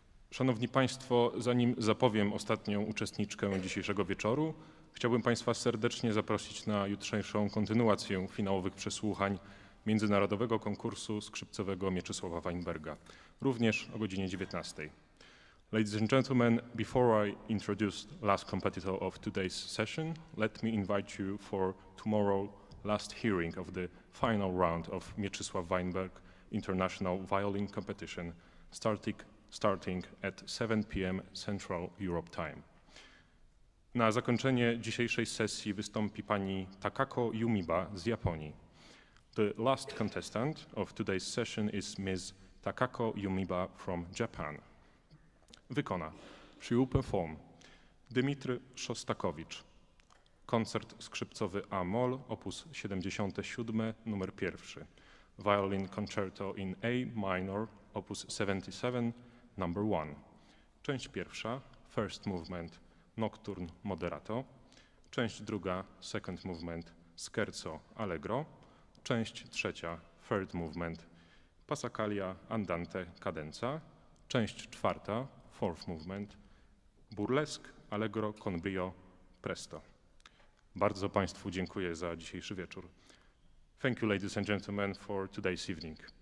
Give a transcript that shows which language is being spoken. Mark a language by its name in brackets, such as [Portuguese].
[Polish] Szanowni Państwo, zanim zapowiem ostatnią uczestniczkę dzisiejszego wieczoru, chciałbym Państwa serdecznie zaprosić na jutrzejszą kontynuację finałowych przesłuchań Międzynarodowego Konkursu Skrzypcowego Mieczysława Weinberga, również o godzinie 19. [English] Ladies and gentlemen, before I introduce the last competitor of today's session, let me invite you for tomorrow last hearing of the final round of Mieczysław Weinberg International Violin Competition starting at 7 p.m. Central Europe Time. [Polish] Na zakończenie dzisiejszej sesji wystąpi pani Takako Yumiba z Japonii. [English] The last contestant of today's session is Ms. Takako Yumiba from Japan. [Polish] Wykona. [English] She will perform. [Polish] Dmitry Szostakowicz. Koncert skrzypcowy A-moll, opus 77, numer 1. [English] Violin Concerto in A minor, opus 77, number 1. [Polish] Część pierwsza, [English] first movement, [Polish] nocturne moderato. Część druga, [English] second movement, [Polish] scherzo allegro. Część trzecia, [English] third movement, [Polish] passacaglia andante cadenza. Część czwarta, [English] fourth movement, [Polish] burlesque allegro con brio presto. Bardzo Państwu dziękuję za dzisiejszy wieczór. [English] Thank you, ladies and gentlemen, for today's evening.